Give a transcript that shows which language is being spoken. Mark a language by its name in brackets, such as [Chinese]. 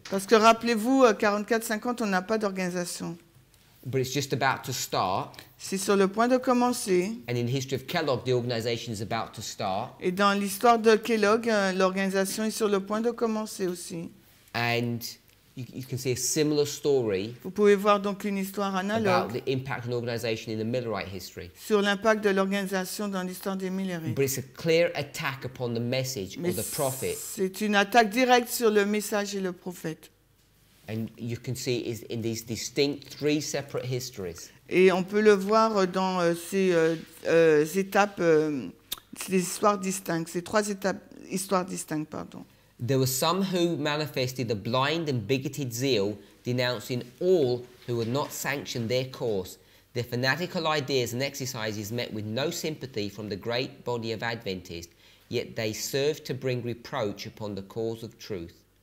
[French] Parce que rappelez-vous, 44-50, on n'a pas d'organisation. [English] But it's just about to start. [French] C'est sur le point de commencer. [English] And in the history of Kellogg, the organization is about to start. [French] Et dans l'histoire de Kellogg, l'organisation est sur le point de commencer aussi. [English] And you can see a similar story. [French] Vous pouvez voir donc une histoire analogue. [English] About the impact of an organization in the Millerite history. [French] Sur l'impact de l'organisation dans l'histoire des Millerites. [English] But it's a clear attack upon the message or the prophet. [French] C'est une attaque directe sur le message et le prophète. [English] And you can see it in these distinct three separate histories. [French] Et on peut le voir dans ces étapes, ces histoires distinctes, ces trois étapes, histoires distinctes, pardon. [English] There were some who manifested a blind and bigoted zeal, denouncing all who had not sanctioned their course. Their fanatical ideas and exercises met with no sympathy from the great body of Adventists. yet they serve to bring reproach upon the cause of truth.